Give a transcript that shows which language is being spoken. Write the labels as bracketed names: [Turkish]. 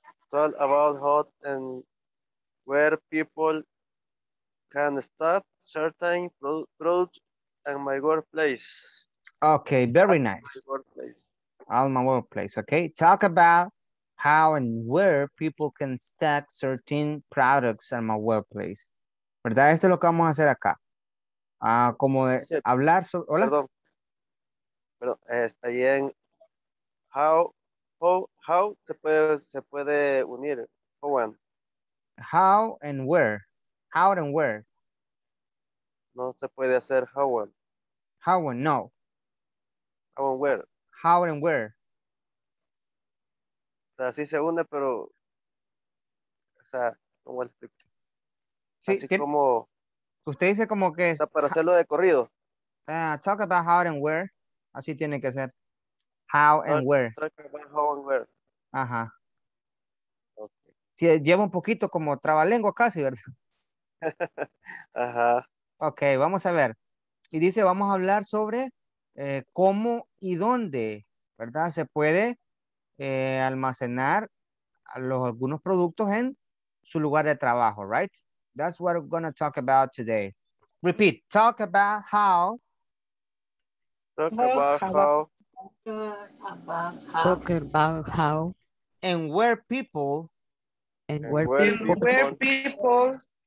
[English] Talk about how and where people can start certain products in my workplace. Okay, very nice. All my workplace. Okay, talk about how and where people can stack certain products in my workplace. [Spanish] ¿Verdad? Eso es lo que vamos a hacer acá. Como de hablar sobre... Hola. Perdón. Está ahí en... How se puede unir. [English] How and... How and where. How and where. [Spanish] No se puede hacer [English] how and... How and no. How and where. How and where. [Spanish] O sea, sí se une, pero... O sea, ¿cómo le explico? Sí, así que, como... Usted dice como que... Está para hacerlo de corrido. [English] Talk about how and where. [Spanish] Así tiene que ser. [English] How and where. Talk about how and where. Ajá. Okay. [Spanish] Sí, lleva un poquito como trabalengua casi, ¿verdad? Ajá. Ok, vamos a ver. Y dice, vamos a hablar sobre... cómo y dónde, ¿verdad? Se puede almacenar algunos productos en su lugar de trabajo, right? [English] That's what we're going to talk about today. Repeat, talk about how. Talk about how. Talk about how. And where people. And where people. Where people.